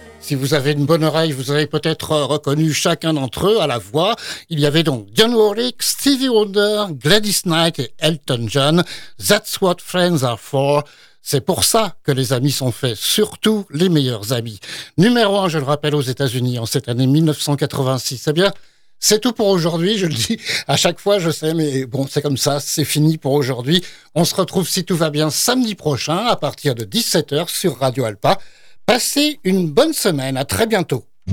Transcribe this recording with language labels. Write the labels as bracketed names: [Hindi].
[French] Si vous avez une bonne oreille, vous avez peut-être reconnu chacun d'entre eux à la voix. Il y avait donc John Warwick, Stevie Wonder, Gladys Knight et Elton John. [English] That's what friends are for. [French] C'est pour ça que les amis sont faits, surtout les meilleurs amis. Numéro 1, je le rappelle, aux États-Unis en cette année 1986. Eh bien, c'est tout pour aujourd'hui, je le dis à chaque fois, je sais, mais bon, c'est comme ça, c'est fini pour aujourd'hui. On se retrouve, si tout va bien, samedi prochain à partir de 17h sur Radio Alpa. Passez une bonne semaine, à très bientôt.